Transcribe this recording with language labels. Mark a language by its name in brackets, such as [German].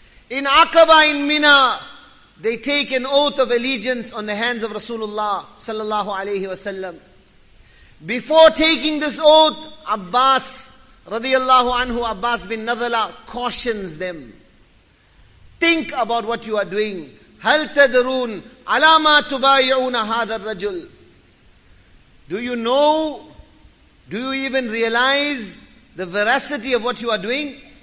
[English] In Aqaba, in Mina, they take an oath of allegiance on the hands of Rasulullah sallallahu alayhi wa sallam. Before taking this oath, Abbas radiyallahu anhu, Abbas bin Nadala, cautions them. Think about what you are doing. [Arabic] هَلْ تَدْرُونَ عَلَى مَا تُبَايِعُونَ هَذَا الرَّجُلِ [English] Do you know? Do you even realize the veracity of what you are doing?